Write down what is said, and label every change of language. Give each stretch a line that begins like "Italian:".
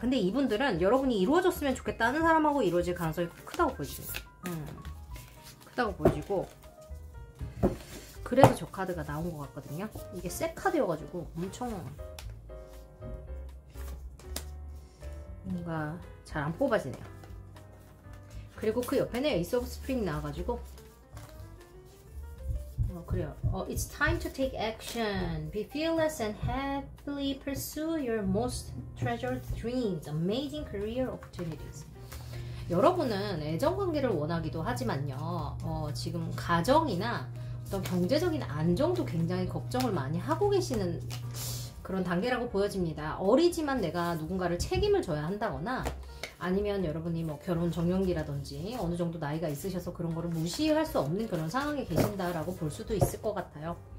Korean: 근데 이분들은 여러분이 이루어졌으면 좋겠다는 사람하고 이루어질 가능성이 크다고 보여지고, 크다고 보여지고, 그래서 저 카드가 나온 것 같거든요. 이게 새 카드여가지고 엄청 뭔가 잘 안 뽑아지네요. 그리고 그 옆에는 에이스 오브 스프링 나와가지고, 그래요.
English: It's time to take action. Be fearless and happily pursue your most treasured dreams. Amazing career opportunities.
Korean: 여러분은 애정관계를 원하기도 하지만요. 지금 가정이나 어떤 경제적인 안정도 굉장히 걱정을 많이 하고 계시는 그런 단계라고 보여집니다. 어리지만 내가 누군가를 책임을 져야 한다거나 아니면 여러분이 뭐 결혼 적령기라든지 어느 정도 나이가 있으셔서 그런 거를 무시할 수 없는 그런 상황에 계신다라고 볼 수도 있을 것 같아요.